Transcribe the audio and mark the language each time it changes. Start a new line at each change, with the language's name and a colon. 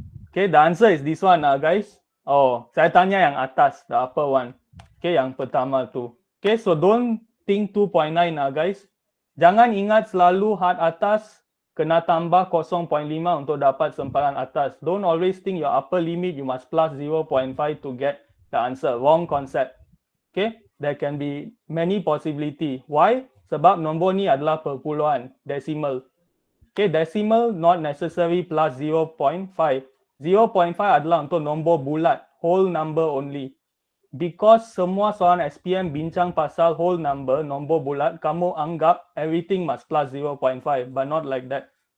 English: Okay, the answer is this one, guys. Oh,
Malay: saya tanya yang atas,
English: the upper one. Okay, yang pertama tu. Okay, so don't think 2.9, guys.
Malay: Jangan ingat selalu had atas kena tambah 0.5 untuk dapat sempadan atas.
English: Don't always think your upper limit, you must plus 0.5 to get the answer. Wrong concept. Okay, there can be many possibility. Why?
Malay: Sebab nombor ni adalah perpuluhan, decimal.
English: Okay, decimal not necessary plus 0.5.
Malay: 0.5 adalah untuk nombor bulat, whole number only. Because semua soalan SPM bincang pasal whole number, nombor bulat, kamu anggap everything must plus 0.5,
English: but not like that.